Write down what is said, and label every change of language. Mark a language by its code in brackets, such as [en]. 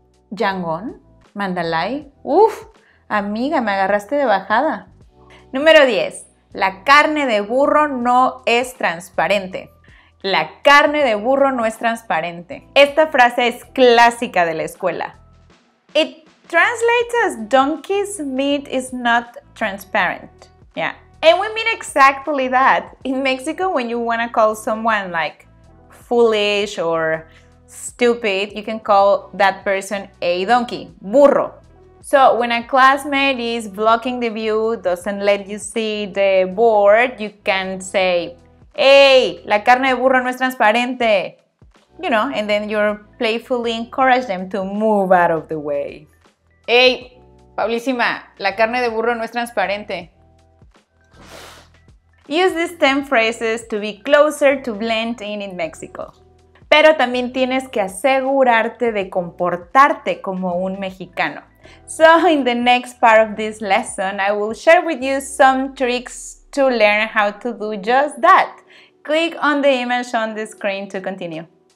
[es] Yangon, Mandalay. Uf, amiga, me agarraste de bajada. Número 10. La carne de burro no es transparente. La carne de burro no es transparente. Esta frase es clásica de la escuela. [en] It translates as donkey's meat is not transparent. Yeah. And we mean exactly that. In Mexico, when you want to call someone like foolish or stupid, you can call that person a donkey, burro. So when a classmate is blocking the view, doesn't let you see the board, you can say, hey, [es] la carne de burro no es transparente. [en] You know, and then you're playfully encourage them to move out of the way. [es] Hey, Paulísima, la carne de burro no es transparente. [en] Use these 10 phrases to be closer to blend in Mexico. [es] Pero también tienes que asegurarte de comportarte como un mexicano. [en] So in the next part of this lesson, I will share with you some tricks to learn how to do just that. Click on the image on the screen to continue.